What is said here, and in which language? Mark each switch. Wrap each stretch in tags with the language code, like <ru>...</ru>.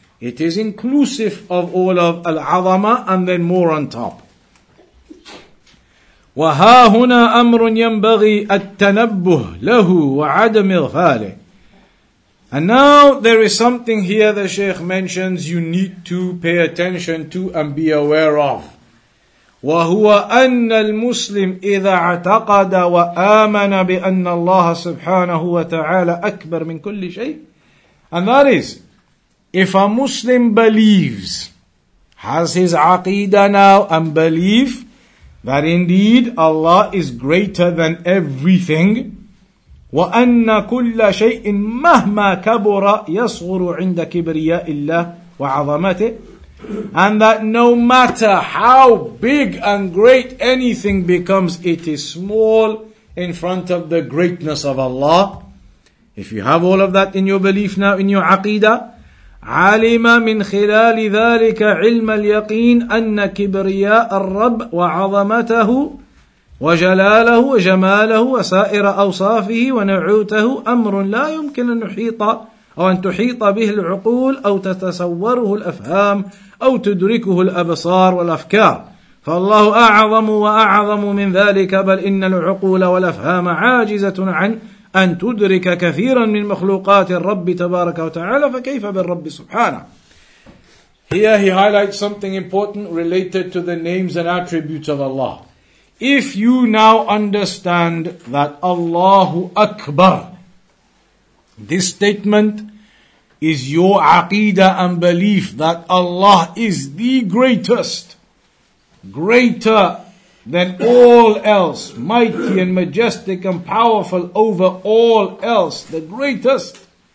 <en>It is inclusive of all of al-azama and then more on top.</en> <ar>وَهَا هُنَا أَمْرٌ يَنْبَغِي التَّنَبُّهُ لَهُ وَعَدَمِ غْفَالِهِ.</ar> <en>And now there is something here the Shaykh mentions you need to pay attention to and be aware of.</en> <ar>وهو أن المسلم إذا اعتقد وآمن بأن الله سبحانه وتعالى أكبر من كل شيء.</ar> <en>And that is, if a Muslim believes, has his aqidah now and belief that indeed Allah is greater than everything,</en> <ar>وأن كل شيء مهما كبر يصغر عند كبرياء الله وعظمته.</ar> <en>And that no matter how big and great anything becomes, it is small in front of the greatness of Allah. If you have all of that in your belief now, in your aqidah,</en> <ar>عَلِمَ مِنْ خِلَالِ ذَلِكَ عِلْمَ الْيَقِينِ أَنَّ كِبْرِيَاءَ الرَّبِّ وَعَظَمَتَهُ وَجَلَالَهُ وَجَمَالَهُ وَسَائِرَ أَوْصَافِهِ وَنَعُوتَهُ أَمْرٌ لَا يُمْكِنَ أَنْ نُحِيطَ أو أن تحيط به العقول أو تتصوره الأفهام أو تدركه الأبصار والأفكار فالله أعظم وأعظم من ذلك بل إن العقول والأفهام عاجزة عن أن تدرك كثيرا من مخلوقات الرب تبارك وتعالى فكيف بالرب سبحانه.</ar> <en>Here he highlights something important related to the names and attributes of Allah. If you now understand that Allahu Akbar, this statement is your aqidah and belief that Allah is the greatest, greater than all else, mighty and majestic and powerful over all else, the greatest.</en>